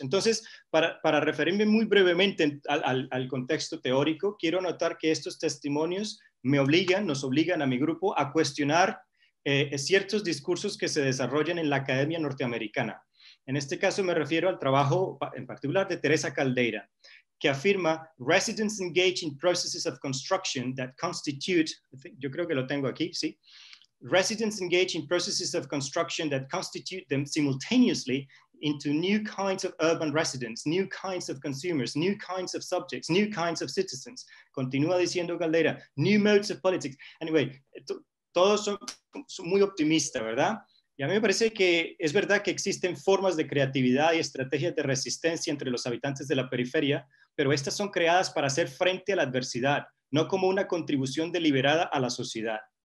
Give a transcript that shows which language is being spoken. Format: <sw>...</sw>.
<es>Entonces, para referirme muy brevemente al contexto teórico, quiero notar que estos testimonios nos obligan a mi grupo a cuestionar ciertos discursos que se desarrollan en la academia norteamericana. En este caso me refiero al trabajo en particular de Teresa Caldeira, que afirma</es> <en>residents engaged in processes of construction that constitute,</en> <es>yo creo que lo tengo aquí, sí,</es> <en>residents engaged in processes of construction that constitute them simultaneously into new kinds of urban residents, new kinds of consumers, new kinds of subjects, new kinds of citizens.</en> <es>Continúa diciendo</es> <en>Caldera, new modes of politics.</en> <es>Anyway, todos son muy optimistas, ¿verdad? Y a mí me parece que es verdad que existen formas de creatividad y estrategias de resistencia entre los habitantes de la periferia, pero estas son creadas para hacer frente a la adversidad, no como una contribución deliberada a la sociedad.</es>